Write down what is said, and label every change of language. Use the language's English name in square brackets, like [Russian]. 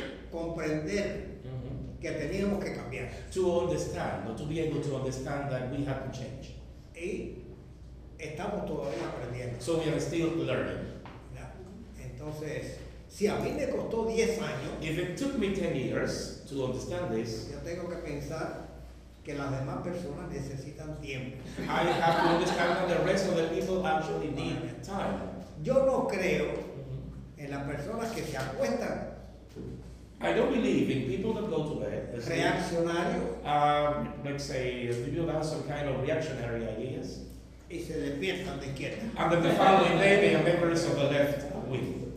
[Spanish] Comprender que teníamos que cambiar. [English] To understand, or to be able to understand that we have to change. [Spanish] Y estamos todavía aprendiendo. [English] So we are still learning. [Spanish] Entonces, si a mí me costó 10 años, [English] if it took me 10 years to understand this, [Spanish] yo tengo que pensar que las demás personas necesitan tiempo. [English] I have to understand that the rest of the people actually need time. [Spanish] Yo no creo en las personas que se acuestan. [English] I don't believe in people that go to bed. [Spanish] Reaccionario. [English] Let's say people have some kind of reactionary ideas. [Spanish] Y se despiertan de izquierda. [English] And then the following day they are members of the left wing.